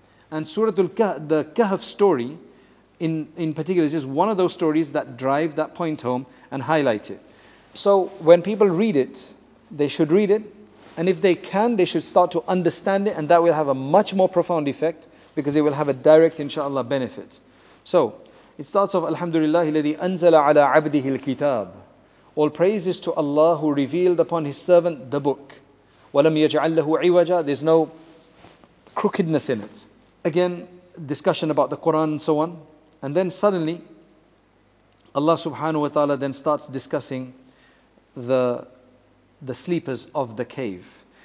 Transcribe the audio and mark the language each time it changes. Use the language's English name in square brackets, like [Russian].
[English] And Surah Al-Kahf, the Kahf story, in particular, it's just one of those stories that drive that point home and highlight it. So when people read it, they should read it. And if they can, they should start to understand it. And that will have a much more profound effect, because it will have a direct, inshallah, benefit. So it starts off, [Arabic] Alhamdulillah, الذي أنزل على عبده الكتاب. [English] All praises to Allah who revealed upon His servant the book. [Arabic] وَلَمْ يَجْعَلْ لَهُ عِوَجًا. [English] There's no crookedness in it. Again, discussion about the Quran and so on. And then suddenly, Allah subhanahu wa ta'ala then starts discussing the sleepers of the cave.